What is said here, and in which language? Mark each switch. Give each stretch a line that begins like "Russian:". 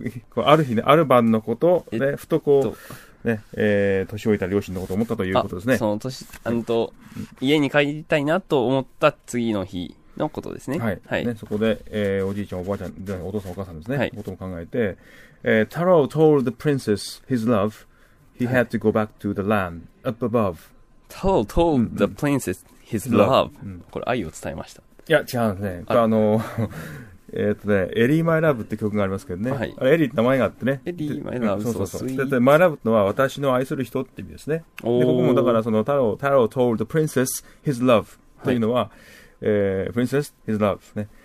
Japanese: こうある日ね、ある晩のこと、ね、ふとこう、ね、年老いた両親のことを思ったということですね。その年、家に帰りたいなと思った次の日のことですね。はい。はい、ね、そこで、おじいちゃん、おばあちゃん、お父さん、お母さんですね。はい。ことも考えて、
English: タロー told the princess his love. He had to go back to the land up above.
Japanese: タロー
English: told the princess his love.、
Japanese: うん、これ、愛を伝えました。いや、違うんですね。これ、エリー・マイ・ラブって曲がありますけどね。はい、エリーって名前があってね。エリー・マイ・ラブ、そうそうそう。で、マイ・ラブってのは私の愛する人って意味ですね。おで、ここもだからその、太郎
English: told the princess his love
Japanese: というのは、はい、
English: princess his love
Japanese: ね。